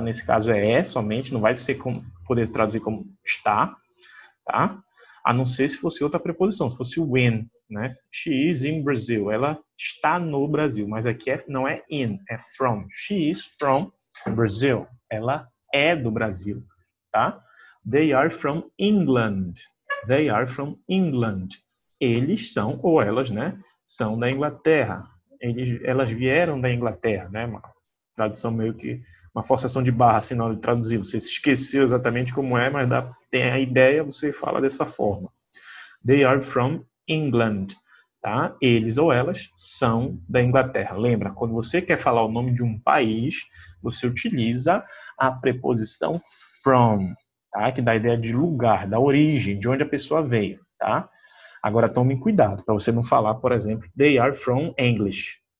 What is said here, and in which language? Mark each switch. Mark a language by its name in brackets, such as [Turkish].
[Portuguese] Nesse caso é somente, não vai ser como, poder traduzir como está, tá? A não ser se fosse outra preposição, se fosse o when, né? [English] She is in Brazil, [Portuguese] ela está no Brasil, mas aqui não é in, é from. [English] She is from Brazil, [Portuguese] ela é do Brasil, tá? [English] They are from England, they are from England. [Portuguese] Eles são, ou elas, né? São da Inglaterra. Elas vieram da Inglaterra, né? Uma tradução meio que uma forçação de barra, assim, na hora de traduzir. Você se esqueceu exatamente como é, mas tem a ideia, você fala dessa forma. [English] They are from England, [Portuguese] tá? Eles ou elas são da Inglaterra. Lembra, quando você quer falar o nome de um país, você utiliza a preposição from, tá? Que dá a ideia de lugar, da origem, de onde a pessoa veio, tá? Agora tome cuidado para você não falar, por exemplo, [English] they are from English.